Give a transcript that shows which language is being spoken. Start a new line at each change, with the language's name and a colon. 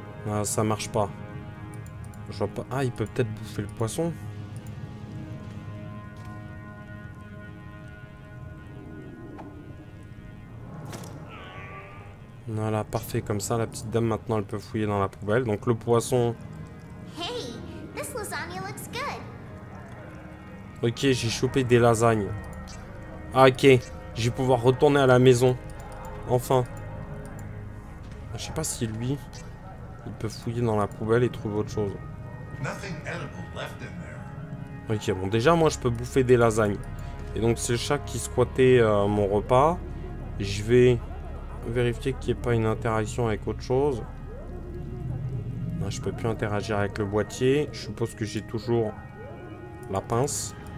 French: Ah, ça marche pas. Je vois pas... Ah, il peut peut-être bouffer le poisson. Voilà, parfait, comme ça la petite dame maintenant elle peut fouiller dans la poubelle. Donc le poisson.
English: Hey, this lasagna looks good.
French: Ok, j'ai chopé des lasagnes. Ah, ok, je vais pouvoir retourner à la maison. Enfin. Je sais pas si lui, il peut fouiller dans la poubelle et trouver autre chose.
English: Nothing edible left in there.
French: Ok, bon déjà moi je peux bouffer des lasagnes. Et donc c'est le chat qui squattait mon repas. Je vais vérifier qu'il n'y ait pas une interaction avec autre chose. Non, je peux plus interagir avec le boîtier. Je suppose que j'ai toujours la pince.